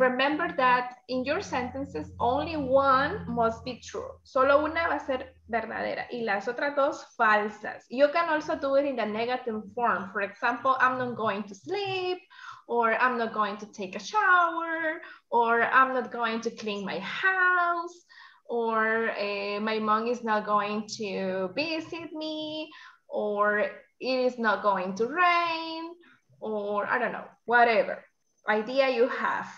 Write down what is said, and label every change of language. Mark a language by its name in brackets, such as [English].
[English] Remember that in your sentences, only one must be true. [Spanish] Solo una va a ser verdadera y las otras dos falsas. [English] You can also do it in the negative form. For example, I'm not going to sleep, or I'm not going to take a shower, or I'm not going to clean my house, or my mom is not going to visit me, or it is not going to rain, or I don't know, whatever idea you have.